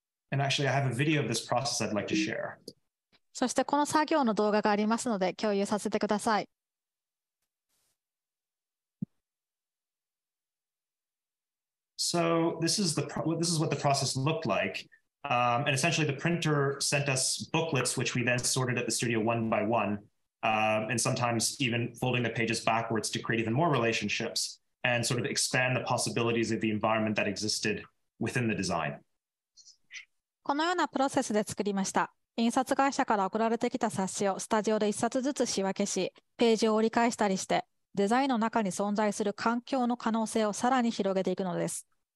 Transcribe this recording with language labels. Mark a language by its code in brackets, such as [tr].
[en] And actually, I have a video of this process I'd like to share. [ja] そしてこの作業の動画がありますので共有させてください。 [en] So this is what the process looked like. And essentially, the printer sent us booklets, which we then sorted at the studio one by one, and sometimes even folding the pages backwards to create even more relationships and sort of expand the possibilities of the environment that existed within the design. [ja] このようなプロセスで作りました。印刷会社から送られてきた冊子をスタジオで一冊ずつ仕分けし、ページを折り返したりして、デザインの中に存在する環境の可能性をさらに広げていくのです。